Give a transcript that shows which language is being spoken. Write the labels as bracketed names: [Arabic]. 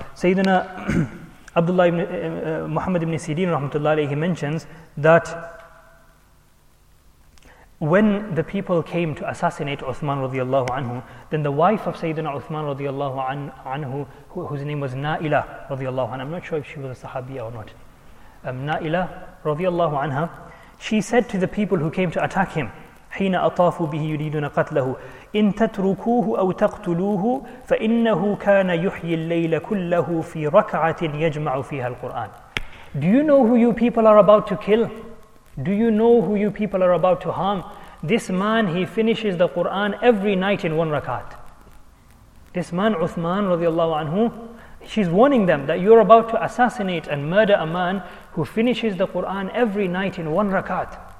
[English] Sayyidina Abdullah ibn Muhammad ibn Sirin rahmatullahi, he mentions that when the people came to assassinate Uthman radiallahu anhu, then the wife of Sayyidina Uthman radiallahu anhu, whose name was Naila radiallahu anha, I'm not sure if she was a sahabiya or not. Naila radiallahu anha, she said to the people who came to attack him, [Arabic] حين أطافوا به يريدون قتله إن تتركوه أو تقتلوه فإنه كان يحيي الليل كله في ركعة يجمع فيها القرآن. [English] Do you know who you people are about to kill? Do you know who you people are about to harm? This man, he finishes the Quran every night in one rakat. This man, Uthman radiallahu anhu, she's warning them that you're about to assassinate and murder a man who finishes the Quran every night in one rakat.